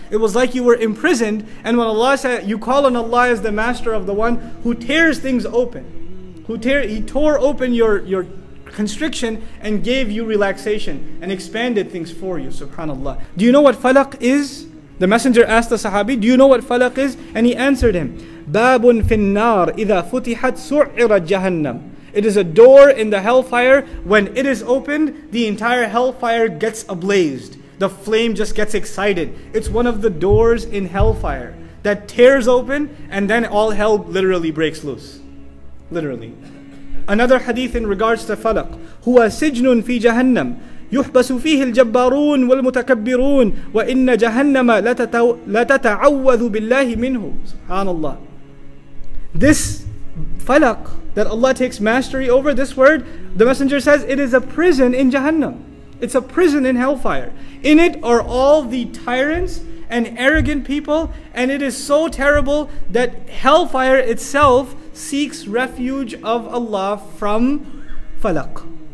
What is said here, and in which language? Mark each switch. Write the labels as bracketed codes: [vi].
[en] It was like you were imprisoned, and when Allah said, you call on Allah as the master of the one who tears things open, he tore open your constriction and gave you relaxation and expanded things for you. Subhanallah. Do you know what falaq is? The Messenger asked the Sahabi, do you know what falaq is? And he answered him, [ar] بَابٌ فِي النَّارِ إِذَا فُتِحَتْ سُعِرَتْ جَهَنَّمُ. [en] It is a door in the hellfire. When it is opened, the entire hellfire gets ablazed. The flame just gets excited. It's one of the doors in hellfire that tears open, and then all hell literally breaks loose. Literally. Another hadith in regards to falaq, [ar] هُوَ سِجْنٌ فِي جَهَنَّمُ يُحْبَسُ فِيهِ الْجَبَّارُونَ وَالْمُتَكَبِّرُونَ وَإِنَّ جَهَنَّمَ لَتَتَعَوَّذُ بِاللَّهِ مِنْهُ. [en] SubhanAllah. This falaq that Allah takes mastery over, this word, the Messenger says, it is a prison in Jahannam. It's a prison in hellfire. In it are all the tyrants and arrogant people, and it is so terrible that hellfire itself seeks refuge of Allah from falaq.